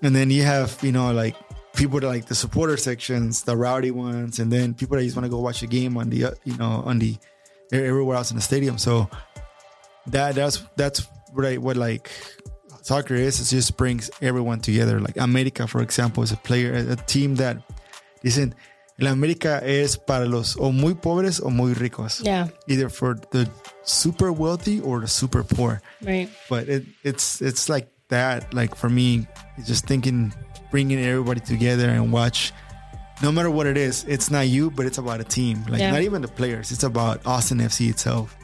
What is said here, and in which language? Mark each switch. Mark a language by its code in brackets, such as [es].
[en] And then you have, you know, like, people that like the supporter sections, the rowdy ones, and then people that just want to go watch a game on the, you know, on the everywhere else in the stadium. So that's what like soccer is. It just brings everyone together. Like America, for example, is a team that isn't. [es] La America es para los o muy pobres o muy ricos. [en] Yeah. Either for the super wealthy or the super poor. Right. But it's like that. Like for me, it's just thinking. Bringing everybody together and watch, no matter what it is, it's not you, but it's about a team. Like yeah. Not even the players, it's about Austin FC itself.